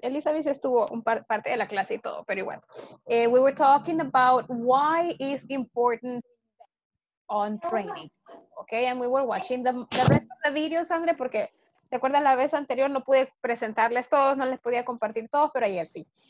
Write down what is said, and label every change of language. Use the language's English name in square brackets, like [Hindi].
[Spanish] Elizabeth estuvo un parte de la clase y todo, pero igual. [English] We were talking about why is important on training. Okay, and we were watching the rest of the videos, Andre, [Spanish] porque ¿se acuerdan la vez anterior? No pude presentarles todos, no les podía compartir todos, pero ayer sí.